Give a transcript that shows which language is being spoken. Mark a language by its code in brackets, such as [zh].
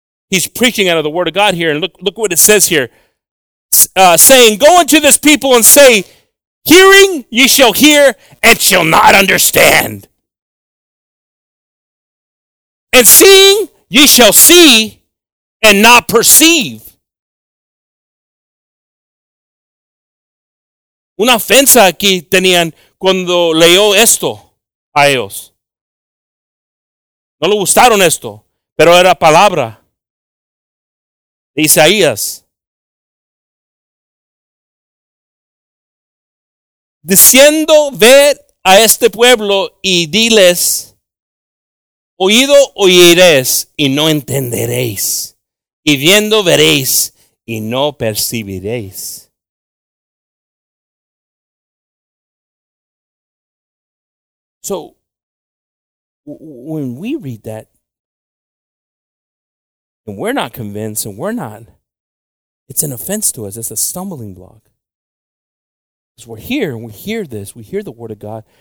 [en] He's preaching out of the word of God here. And look what it says here. Saying, go unto this people and say, hearing ye shall hear and shall not understand. And seeing ye shall see and not perceive. [es] Una ofensa aquí tenían cuando leyó esto a ellos. No le gustaron esto, pero era palabra de Isaías. Diciendo, ved a este pueblo y diles, oído oiréis y no entenderéis, y viendo veréis y no percibiréis. [en] So, when we read that, and we're not convinced, and we're not, it's an offense to us. It's a stumbling block. Because we're here, and we hear this. We hear the word of God.